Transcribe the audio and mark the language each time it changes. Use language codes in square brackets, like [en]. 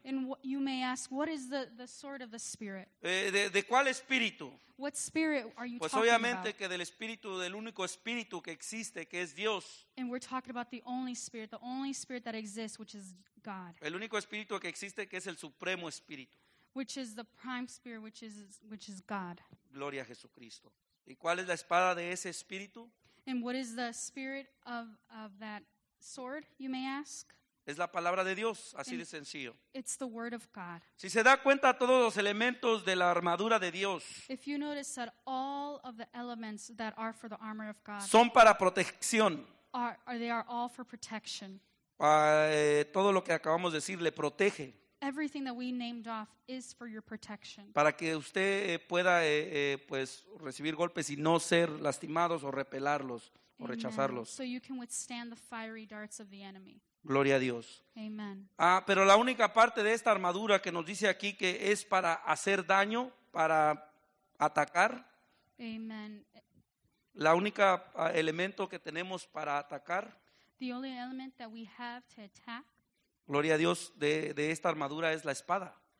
[en] And you may ask, what is the sword of the Spirit? [es] ¿De cuál Espíritu? [en] What Spirit are you [es] pues [en] talking [es] obviamente [en] about? [es] Que del Espíritu, del único Espíritu que existe, que es Dios. [en] And we're talking about the only Spirit that exists, which is God. [es] El único Espíritu que existe, que es el Supremo Espíritu. [en] Which is the Prime Spirit, which is God. [es] Gloria a Jesucristo. ¿Y cuál es la espada de ese Espíritu? [en] And what is the Spirit of that sword, you may ask. [es] Es la palabra de Dios, así de sencillo. [en] It's the word of God. [es] Si se da cuenta todos los elementos de la armadura de Dios. [en] If you notice that all of the elements that are for the armor of God. [es] Son para protección. [en] They are all for protection. [es] Todo lo que acabamos de decir le protege. [en] Everything that we named off is for your protection. [es] Para que usted pueda recibir golpes y no ser lastimados o repelarlos. O rechazarlos. [en] So you can withstand the fiery darts of the enemy. [es] Gloria a Dios. Amen. Pero la única parte de esta armadura que nos dice aquí que es para hacer daño, para atacar. Amen. La única elemento que tenemos para atacar. [en] The only element that we have to attack. [es] Gloria a Dios, de esta armadura es la espada.